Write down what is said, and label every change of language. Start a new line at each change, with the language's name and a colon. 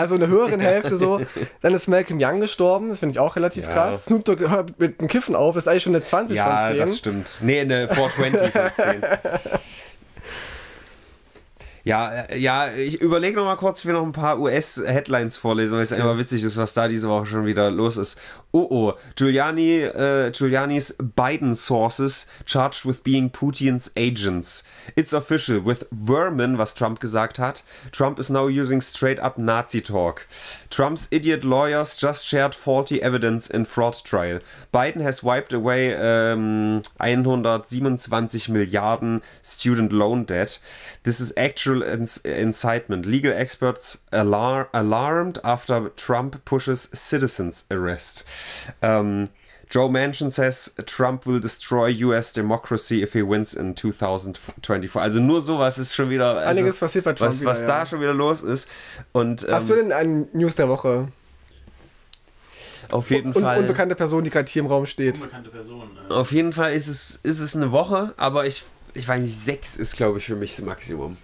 German: Also in der höheren Hälfte so. Dann ist Malcolm Young gestorben, das finde ich auch relativ krass. Snoop Dogg hört mit dem Kiffen auf, das ist eigentlich schon eine 20 ja, von 10. Ja, das stimmt. Nee, eine 420 von 10. Ja, ich überlege nochmal kurz, wie wir noch ein paar US-Headlines vorlesen, weil es einfach witzig ist, was da diese Woche schon wieder los ist.
English: Oh, Giuliani's Biden sources charged with being Putin's agents. It's official, with vermin,
German: was Trump gesagt hat.
English: Trump is now using straight up Nazi talk. Trump's idiot lawyers just shared faulty evidence in fraud trial. Biden has wiped away 127 Milliarden student loan debt. This is actual incitement. Legal experts alarmed after Trump pushes citizens arrest. Joe Manchin says Trump will destroy US democracy if he wins in 2024.
German: Also nur sowas ist schon wieder. Also einiges passiert bei Trump. Was da schon wieder los ist. Und, hast du denn ein News der Woche? Auf jeden Fall. Unbekannte Person, die gerade hier im Raum steht. Unbekannte Person. Auf jeden Fall ist es eine Woche, aber ich weiß nicht, 6 ist, glaube ich, für mich das Maximum.